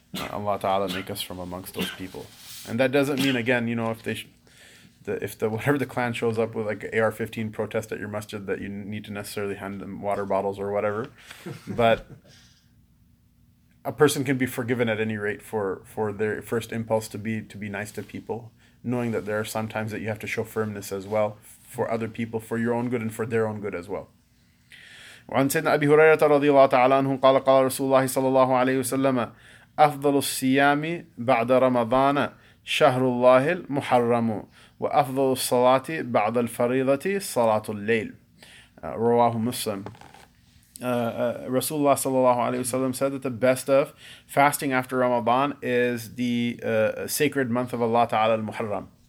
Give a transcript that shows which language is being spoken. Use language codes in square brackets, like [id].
[en] Allah Ta'ala make us from amongst those people. And that doesn't mean, again, if they whatever the clan shows up with, like, AR-15 protest at your masjid, that you need to necessarily hand them water bottles or whatever. But a person can be forgiven at any rate for their first impulse to be nice to people, knowing that there are some times that you have to show firmness as well for other people, for your own good and for their own good as well. [ar] وعن سيدنا أبي هريرة رضي الله تعالى عنه قال قال رسول الله صلى الله عليه وسلم أفضل الصيام بعد رمضان شهر الله المحرم وأفضل الصلاة بعد الفريضة صلاة الليل رواه مسلم. [en] Rasulullah sallallahu alaihi wasallam said that the best of fasting after Ramadan is the sacred month of Allah Ta'ala al-Muharram.